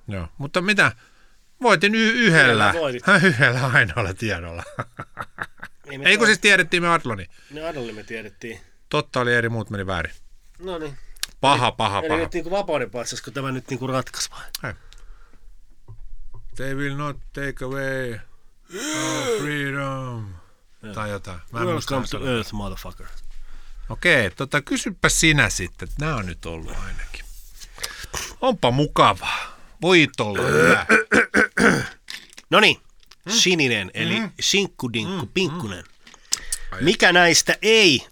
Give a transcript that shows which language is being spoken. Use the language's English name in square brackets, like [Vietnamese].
[Finnish] Joo, mutta mitä? Voitin yhdellä. Yhdellä ainoalla tiedolla. Ei kun siis tiedettiin me Adloni. No Adloni me tiedettiin. Totta oli eri, muut meni väärin. No niin. Paha. Eli nyt niinku vapauden patsas, kun tämä nyt niinku ratkaisi vai? Hei. [English] They will not take away our freedom. [Finnish] Tai jotain. [English] Welcome to earth, motherfucker. [Finnish] Okei, kysypä sinä sitten. Nämä on nyt ollut ainakin. Onpa mukavaa. Voit olla hyvä. No niin. Sininen, eli sinkkudinkku, pinkkunen. Mikä näistä ei